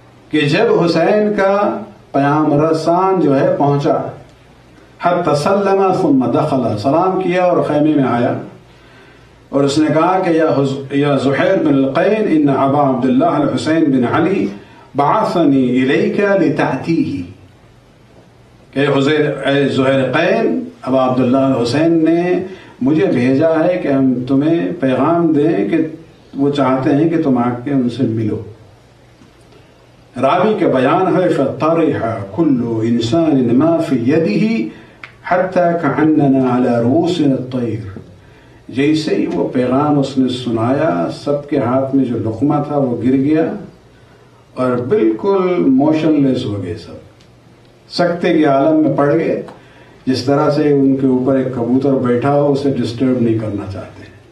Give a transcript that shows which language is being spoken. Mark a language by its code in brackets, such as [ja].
[ur] کہ جب حسین کا پیام رسان جو ہے پہنچا, [ar] حد تسلم ثم دخل, [ur] سلام کیا اور خیمے میں آیا اور اس نے کہا کہ [ar] یا زہیر بن القین ان ابا عبداللہ الحسین بن علی بعثنی الیک لتعتیہ, [ur] کہ زہیر قین ابا عبداللہ الحسین نے مجھے بھیجا ہے کہ ہم تمہیں پیغام دیں کہ وہ چاہتے ہیں کہ تم آ کے ان سے ملو. راوی کے بیان ہے [ar] فطرح كل انسان ما في يده حتى كاننا على رؤوس الطير. [ur] جیسے ہی وہ پیغام اس نے سنایا سب کے ہاتھ میں جو لقمہ تھا وہ گر گیا اور بالکل موشن لیس ہو گئے سب, سکتے کے عالم میں پڑ گئے, جس طرح سے ان کے اوپر ایک کبوتر بیٹھا ہو اسے ڈسٹرب نہیں کرنا چاہتے.